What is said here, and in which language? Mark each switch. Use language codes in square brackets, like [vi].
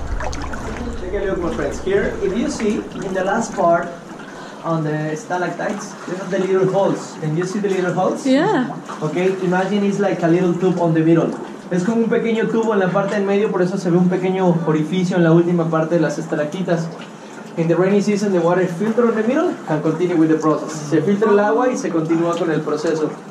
[en] In the last part on the stalactites, you have the little holes. Can you see the little holes? Yeah. Okay, imagine it's like a little tube on the middle. [es] Es como un pequeño tubo en la parte del medio, por eso se ve un pequeño orificio en la última parte de las estalactitas. [en] In the rainy season, the water filters in the middle and continue with the process. [es] Se filtra el agua y se continúa con el proceso.